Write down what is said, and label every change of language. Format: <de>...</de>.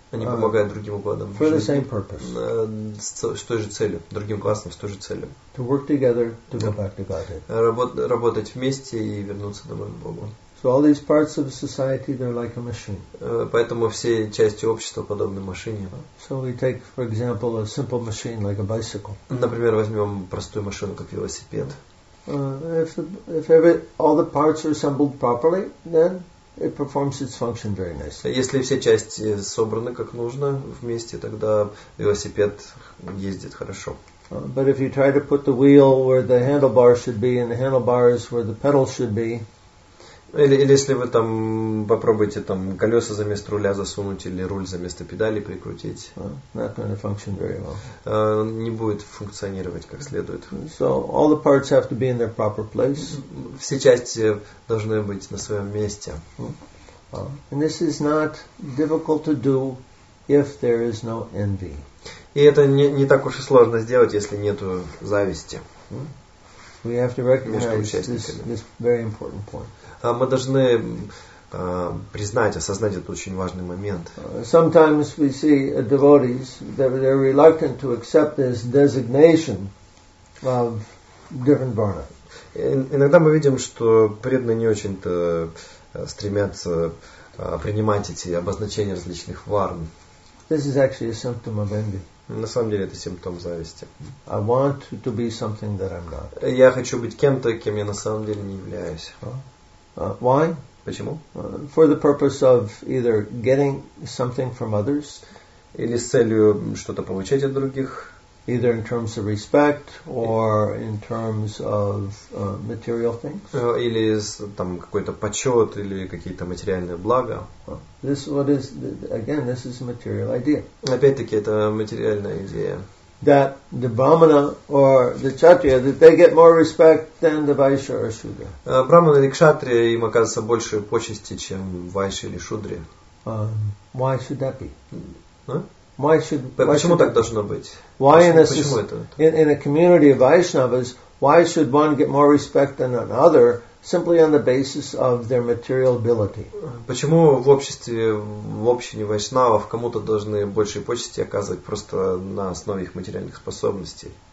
<ru>Они помогают другим укладам.</ru> <en>For the same purpose.</en> <ru>С той же целью, другим классом, с той же целью.</ru> <en>To work together to go back to Godhead.</en> <ru>Работать вместе и вернуться домой к Богу.</ru> <en>So all these parts of society, they're like a machine.</en> <ru>Поэтому все части общества подобны машине.</ru> <en>So we take, for example, a simple machine like a bicycle.</en> <ru>Например, возьмем простую машину, как велосипед.</ru> <en>If all the parts are assembled properly, then it performs its function very nicely.</en> <ru>Если все части собраны как нужно вместе, тогда велосипед ездит хорошо.</ru> <en>But if you try to put the wheel where the handlebar should be and the handlebars where the pedal should be.</en> <ru>Или если вы там попробуете там колеса за место руля засунуть или руль за место педали прикрутить, не будет функционировать как следует.</ru> <en>So all the parts have to be in their proper place.</en> <ru>Все части должны быть на своем месте.</ru> <en>And this is not difficult to do if there is no envy.</en> <ru>И это не так уж и сложно сделать, если нету зависти.</ru> <en>We have to recognize this very important point.</en> <ru>Мы должны признать, осознать этот очень важный момент.</ru> <en>Sometimes we see devotees that they're reluctant to accept this designation of different varna.</en> <ru>Иногда мы видим, что преданные не очень-то стремятся принимать эти обозначения различных варн.</ru> <en>This is actually a symptom of envy.</en> <ru>На самом деле это симптом зависти.</ru> <en>I want to be something that I'm not.</en> <ru>Я хочу быть кем-то, кем я на самом деле не являюсь.</ru> <en>Why?</en> <ru>Почему?</ru> <en>For the purpose of either getting something from others.</en> <ru>Или с целью что-то получить от других.</ru> <en>Either in terms of respect or in terms of material things.</en> <ru>Или там какой-то почет или какие-то материальные блага.</ru> <en>This is a material idea.</en> <ru>Опять-таки это материальная идея.</ru> <en>That the brahmana or the kshatriya, that they get more respect than the vaishya or shudra.</en> <ru>Брахмана или кшатрия им оказывается больше почести, чем вайши или шудри.</ru> <en>Why should that be? Why should,</en> <ru>почему так должно быть?</ru> <en>Why</en> <ru>почему это?</ru> <en>In a community of Vaishnavas, why should one get more respect than another simply on the basis of their material ability?</en> <ru>Почему в обществе, в общине вайшнавов кому-то должны большие почести оказывать просто на основе их материальных способностей?</ru>